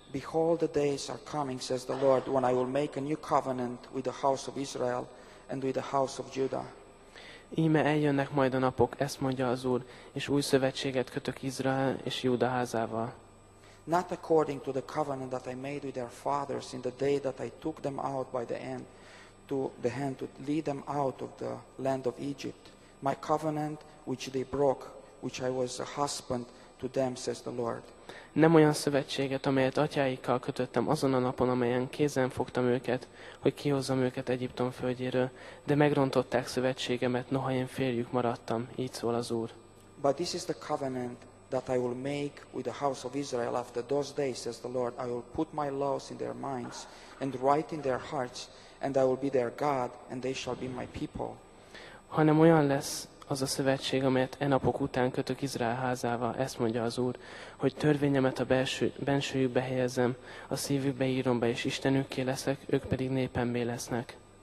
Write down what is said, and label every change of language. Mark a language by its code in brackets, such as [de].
[en] Behold, the days are coming, says the Lord, when I will make a new covenant with the house of Israel and with the house of Judah. [hu] Íme eljönnek majd a napok, ezt mondja az Úr, és új szövetséget kötök Izrael és Júda házával. [en] Not according to the covenant that I made with their fathers in the day that I took them out by the hand to lead them out of the land of Egypt. My covenant which they broke, which I was a husband to them, says the Lord. [hu] Nem olyan szövetséget, amelyet atyáikkal kötöttem azon a napon, amelyen kézen fogtam őket, hogy kihozzam őket Egyiptom földjéről, de megrontották szövetségemet, noha én férjük maradtam, így szól az Úr. [en] But this is the covenant that I will make with the house of Israel after those days, says the Lord. I will put my laws in their minds and write in their hearts, and I will be their God, and they shall be my people. [hu] Hanem olyan lesz az a szövetség, amelyet e napok után kötök Izrael házával, ezt mondja az Úr, hogy törvényemet a bensőjükbe helyezem, a szívükbe írom be, és Istenükké leszek, ők pedig népemmé lesznek.